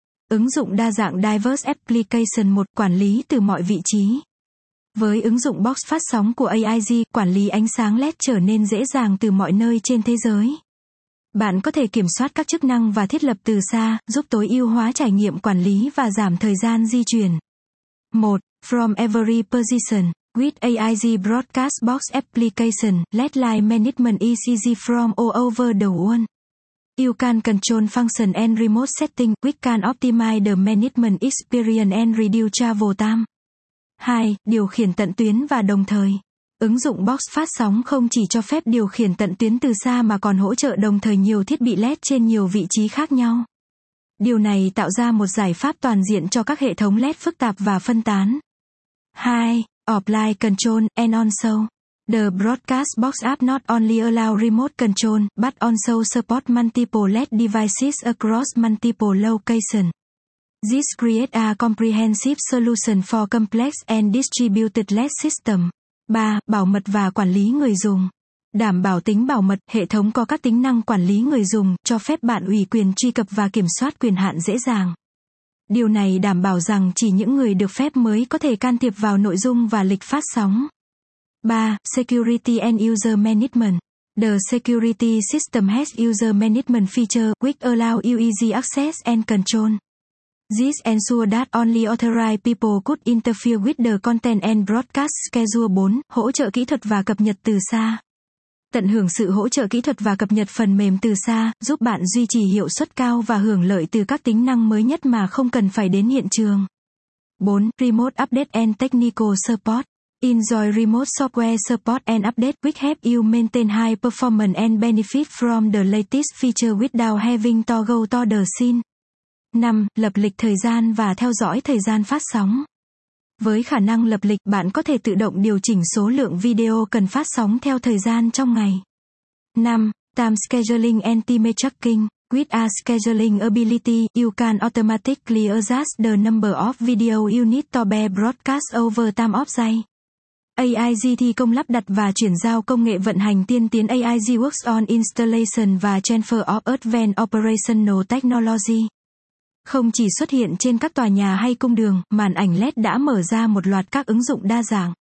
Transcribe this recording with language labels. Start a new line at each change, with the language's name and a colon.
Vietnamese: Ứng dụng đa dạng
English: diverse application
Vietnamese: 1, quản lý từ mọi vị trí. Với ứng dụng Box phát sóng của AIG, quản lý ánh sáng LED trở nên dễ dàng từ mọi nơi trên thế giới. Bạn có thể kiểm soát các chức năng và thiết lập từ xa, giúp tối ưu hóa trải nghiệm quản lý và giảm thời gian di chuyển.
English: 1. From every position, with AIG Broadcast Box application, LED light management is easy from all over the world. You can control function and remote setting, which can optimize the management experience and reduce travel time.
Vietnamese: 2. Điều khiển tận tuyến và đồng thời. Ứng dụng Box phát sóng không chỉ cho phép điều khiển tận tuyến từ xa mà còn hỗ trợ đồng thời nhiều thiết bị LED trên nhiều vị trí khác nhau. Điều này tạo ra một giải pháp toàn diện cho các hệ thống LED phức tạp và phân tán.
English: 2. Offline control and also. The Broadcast Box app not only allow remote control, but also support multiple LED devices across multiple locations. This creates a comprehensive solution for complex and distributed LED system.
Vietnamese: 3. Bảo mật và quản lý người dùng. Đảm bảo tính bảo mật, hệ thống có các tính năng quản lý người dùng, cho phép bạn ủy quyền truy cập và kiểm soát quyền hạn dễ dàng. Điều này đảm bảo rằng chỉ những người được phép mới có thể can thiệp vào nội dung và lịch phát sóng.
English: 3. Security and User Management. The security system has user management feature, which allow you easy access and control. This ensure that only authorized people could interfere with the content and broadcast schedule.
Vietnamese: 4. Hỗ trợ kỹ thuật và cập nhật từ xa. Tận hưởng sự hỗ trợ kỹ thuật và cập nhật phần mềm từ xa, giúp bạn duy trì hiệu suất cao và hưởng lợi từ các tính năng mới nhất mà không cần phải đến hiện trường.
English: 4. Remote Update and Technical Support. Enjoy remote software support and update which help you maintain high performance and benefit from the latest feature without having to go to the scene.
Vietnamese: 5. Lập lịch thời gian và theo dõi thời gian phát sóng. Với khả năng lập lịch, bạn có thể tự động điều chỉnh số lượng video cần phát sóng theo thời gian trong ngày.
English: 5. Time Scheduling and Time Tracking. With a scheduling ability, you can automatically adjust the number of video you need to be broadcast over time of day.
Vietnamese: AIG thi công lắp đặt và chuyển giao công nghệ vận hành tiên tiến AIG
English: Works on Installation
Vietnamese: và
English: Transfer of Advanced Operational Technology.
Vietnamese: Không chỉ xuất hiện trên các tòa nhà hay cung đường, màn ảnh LED đã mở ra một loạt các ứng dụng đa dạng.